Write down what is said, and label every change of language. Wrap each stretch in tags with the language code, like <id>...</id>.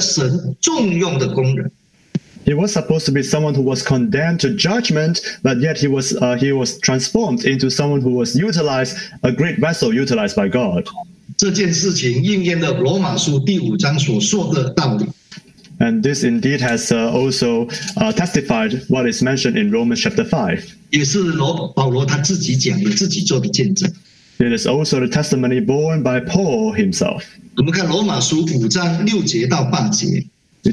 <zh>他本来是神要审判的人，却成了神重用的工人。</zh> <en>He was supposed to be someone who was condemned to judgment, but yet he was transformed into someone who was utilized, a great vessel utilized by God.</en> <zh>这件事情应验了罗马书第五章所说的道理。</zh> <en>And this indeed has also testified what is mentioned in Romans chapter 5.</en> <zh>也是保罗他自己讲的，自己做的见证。</zh> <en>It is also the testimony borne by Paul himself.</en> <zh>我们看罗马书五章六节到八节。</zh> <en>We</en>